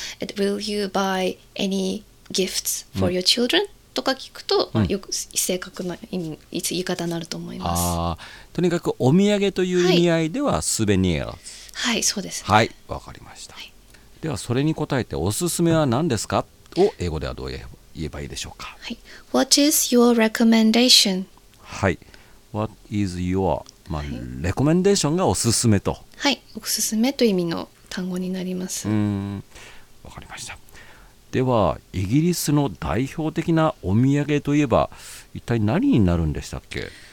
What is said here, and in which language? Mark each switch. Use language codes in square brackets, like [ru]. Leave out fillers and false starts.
[en] Will you buy any gifts for your children?、 [ja] うん、とか聞くと、うん、まあ、よく正確な意味、言い方になると思います。あ、とにかくお土産という意味合いでは、はい、スベニエル。はい、そうですね。はい、わかりました、はい、ではそれに答えておすすめは何ですかを英語ではどう言えばいいでしょうか。 [en] はい、What is your recommendation? [ja] はい、 [en] What is your、 [ja] まあ、レコメンデーションがおすすめと。はい、おすすめという意味の単語になります。わかりました。ではイギリスの代表的なお土産といえば一体何になるんでしたっけ。